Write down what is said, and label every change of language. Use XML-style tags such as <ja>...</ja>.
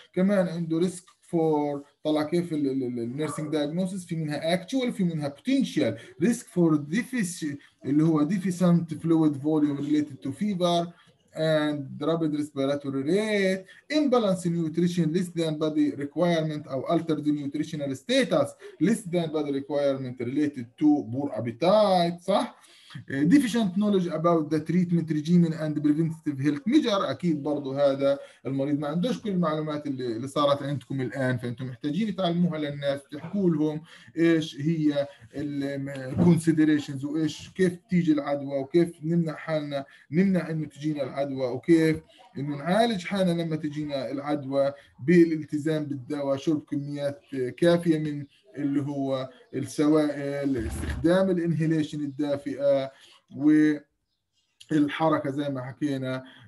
<ar>كمان عنده</ar> <en>risk for,</en> <ar>طلع كيف</ar> <en>النيرسينج دايجنوستس،</en> <ar>في منها</ar> <en>actual في منها potential risk for deficit</en> <ar>اللي هو</ar> <en>Deficient fluid volume related to fever and rapid respiratory rate, imbalance in nutrition less than body requirement or altered nutritional status less than body requirement related to poor appetite.</en> <ar>صح.</ar> <en>Deficient knowledge about the treatment regimen and preventative health measure.</en> <ar>أكيد برضو هذا المريض ما عندوش كل المعلومات اللي صارت عندكم الآن، فأنتم محتاجين تعلموها للناس، تحكوا لهم إيش هي الـ considerations وإيش كيف تيجي العدوى وكيف نمنع حالنا، نمنع إنه تجينا العدوى وكيف إنه نعالج حالنا لما تجينا العدوى بالالتزام بالدواء، شرب كميات كافية من اللي هو السوائل، استخدام الانهيليشن الدافئه والحركه زي ما حكينا</ar>